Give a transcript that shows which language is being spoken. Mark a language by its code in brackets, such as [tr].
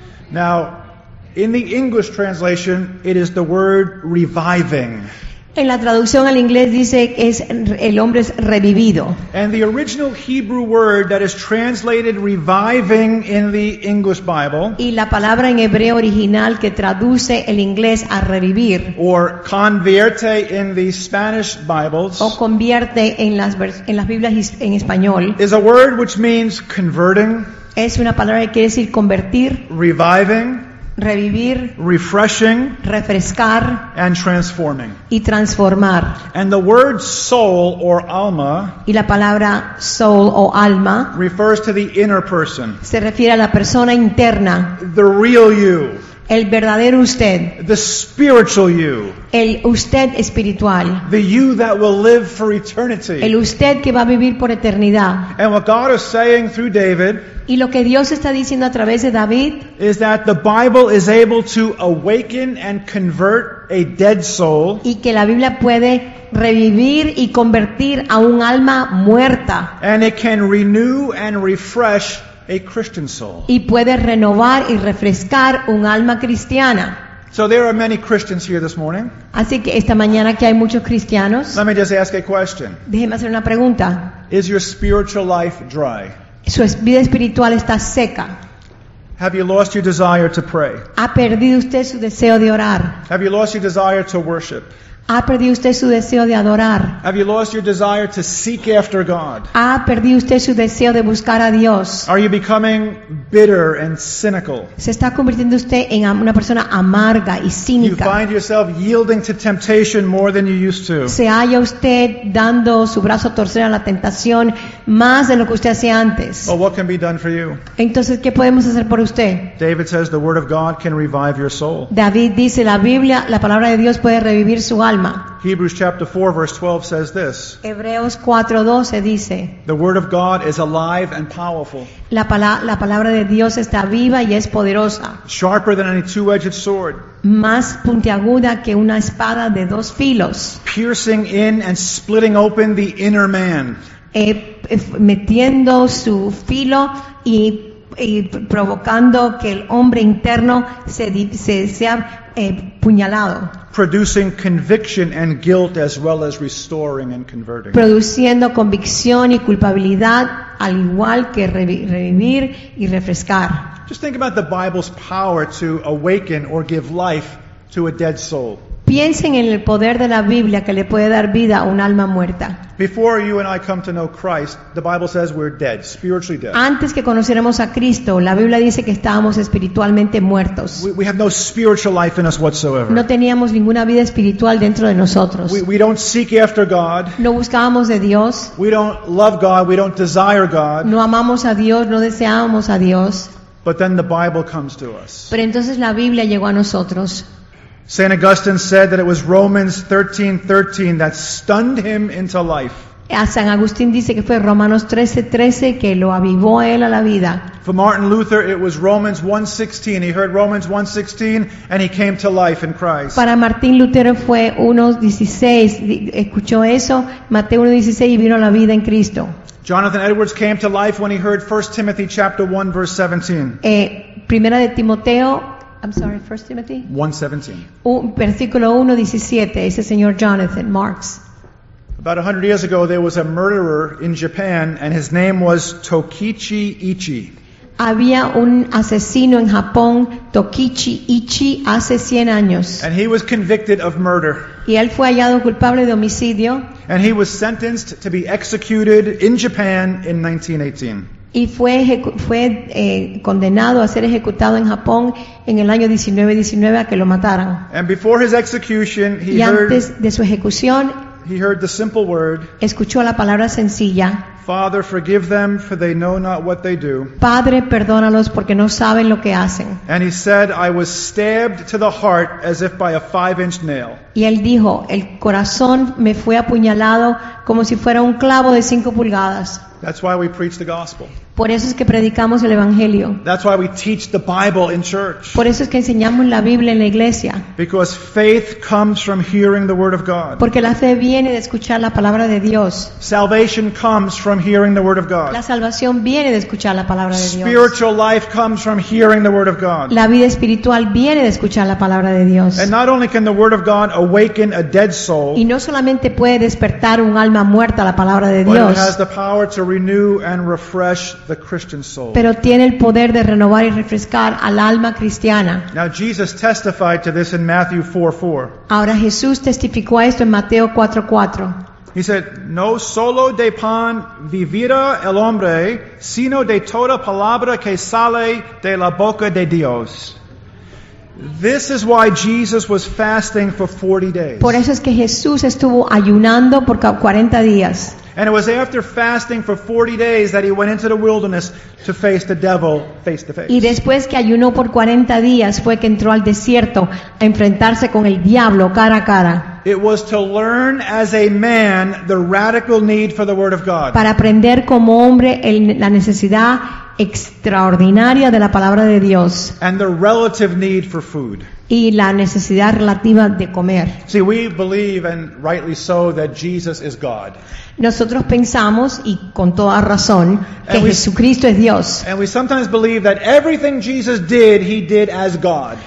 [en] Now, in the English translation, it is the word reviving. [es] En la traducción al inglés dice que es el hombre es revivido. [en] And the original Hebrew word that is translated reviving in the English Bible. [es] Y la palabra en hebreo original que traduce el inglés a revivir. [en] Or convierte in the Spanish Bibles. [es] O convierte en las Biblias en español. [en] Is a word which means converting. [es] Es una palabra que quiere decir convertir. [en] Reviving. [es] Revivir, [en] refreshing, [es] refrescar, [en] and transforming. [es] Y transformar. [en] And the word soul or alma, [es] y la palabra soul o alma, [en] refers to the inner person. [es] Se refiere a la persona interna. [en] The real you. [es] El verdadero usted. [en] The spiritual you. [es] El usted espiritual. [en] The you that will live for eternity. [es] El usted que va a vivir por eternidad. [en] And what God is saying through David. [es] Y lo que Dios está diciendo a través de David [en] is that the Bible is able to awaken and convert a dead soul. [es] Y que la Biblia puede revivir y convertir a un alma muerta. [en] And it can renew and refresh a Christian soul. [es] Y puede renovar y refrescar un alma cristiana. [en] So there are many Christians here this morning. [es] Así que esta mañana que hay muchos cristianos. [en] Let me just ask a question. [es] Déjeme hacer una pregunta. [en] Is your spiritual life dry? [es] Su vida espiritual está seca. [en] Have you lost your desire to pray? [es] ¿Ha perdido usted su deseo de orar? [en] Have you lost your desire to worship? [es] ¿Ha perdido usted su deseo de adorar? [en] Have you lost your desire to seek after God? [es] ¿Ha perdido usted su deseo de buscar a Dios? [en] Are you becoming bitter and cynical? [es] ¿Se está convirtiendo usted en una persona amarga y cínica? [en] You find yourself yielding to temptation more than you used to. [es] ¿Se halla usted dando su brazo a torcer a la tentación más de lo que usted hacía antes? [en] Well, what can be done for you? [es] Entonces, ¿qué podemos hacer por usted? [en] David says the word of God can revive your soul. [es] David dice, la Biblia, la palabra de Dios puede revivir su alma. [en] Hebrews chapter 4 verse 12 says this. [es] Hebreos 4:12 dice. [en] The word of God is alive and powerful. [es] La palabra de Dios está viva y es poderosa. [en] Sharper than any two-edged sword. [es] Más puntiaguda que una espada de dos filos. [en] Piercing in and splitting open the inner man. [es] Metiendo su filo y provocando que el hombre interno sea puñalado. [en] Producing conviction and guilt as well as restoring and converting. [es] Produciendo convicción y culpabilidad al igual que revivir y refrescar. [en] Just think about the Bible's power to awaken or give life to a dead soul. [es] Piensen en el poder de la Biblia que le puede dar vida a un alma muerta. [en] Before you and I come to know Christ, the Bible says we're dead, spiritually dead. [es] Antes que conociéramos a Cristo, la Biblia dice que estábamos espiritualmente muertos. [en] We have no spiritual life in us whatsoever. [es] No teníamos ninguna vida espiritual dentro de nosotros. [en] We don't seek after God. [es] No buscábamos de Dios. [en] We don't love God, we don't desire God. [es] No amamos a Dios, no deseábamos a Dios. [en] But then the Bible comes to us. [es] Pero entonces la Biblia llegó a nosotros. [en] St. Augustine said that it was Romans 13:13 that stunned him into life. [es] San Agustín dice que fue Romanos 13:13 que lo avivó a él a la vida. [en] For Martin Luther, it was Romans 1:16. He heard Romans 1:16 and he came to life in Christ. [es] Para Martín Lutero fue 1:16. Escuchó eso, Mateo 1:16 y vino a la vida en Cristo. [en] Jonathan Edwards came to life when he heard 1 Timothy chapter 1 verse 17. [es] Primera de Timoteo. [en] I'm sorry, 1 Timothy? [es] 1:17. Versículo 1:17, ese señor Jonathan Marks. [en] About 100 years ago, there was a murderer in Japan, and his name was Tokichi Ichi. [es] Había un asesino en Japón, Tokichi Ichi, hace 100 años. [en] And he was convicted of murder. [es] Y él fue hallado culpable de homicidio. [en] And he was sentenced to be executed in Japan in 1918. [es] Y fue condenado a ser ejecutado en Japón en el año 1919 a que lo mataran. [en] And before his execution, he heard the simple word. [es] Escuchó la palabra sencilla. [en] Father, forgive them, for they know not what they do. [es] Padre, perdónalos porque no saben lo que hacen. [en] And he said, I was stabbed to the heart as if by a 5-inch nail. [es] Y él dijo, el corazón me fue apuñalado como si fuera un clavo de 5 pulgadas. [en] That's why we preach the gospel. [es] Por eso es que predicamos el evangelio. [en] That's why we teach the Bible in church. [es] Por eso es que enseñamos la Biblia en la iglesia. [en] Because faith comes from hearing the word of God. [es] Porque la fe viene de escuchar la palabra de Dios. [en] Salvation comes from hearing the word of God. [es] La salvación viene de escuchar la palabra de Dios. [en] Spiritual life comes from hearing the word of God. [es] La vida espiritual viene de escuchar la palabra de Dios. [en] And not only can the word of God awaken a dead soul. [es] Y no solamente puede despertar un alma muerta la palabra de Dios. [en] But it has the power to renew and refresh the Christian soul. [es] Pero tiene el poder de renovar y refrescar al alma cristiana. [en] Now Jesus testified to this in Matthew 4:4. [es] Ahora Jesús testificó a esto en Mateo 4:4. [en] He said, [es] "No solo de pan vivirá el hombre, sino de toda palabra que sale de la boca de Dios." [en] This is why Jesus was fasting for 40 days. [es] Por eso es que Jesús estuvo ayunando por 40 días. [en] And it was after fasting for 40 days that he went into the wilderness to face the devil face to face. [es] Y después que ayunó por 40 días fue que entró al desierto a enfrentarse con el diablo cara a cara. [en] It was to learn as a man the radical need for the word of God. [es] Para aprender como hombre la necesidad extraordinaria de la palabra de Dios. [en] And the relative need for food. [es] Y la necesidad relativa de comer. [en] See, we believe, and rightly so, that Jesus is God. [es] Nosotros pensamos, y con toda razón, que Jesucristo es Dios. [en] And we sometimes believe that everything Jesus did, he did as God.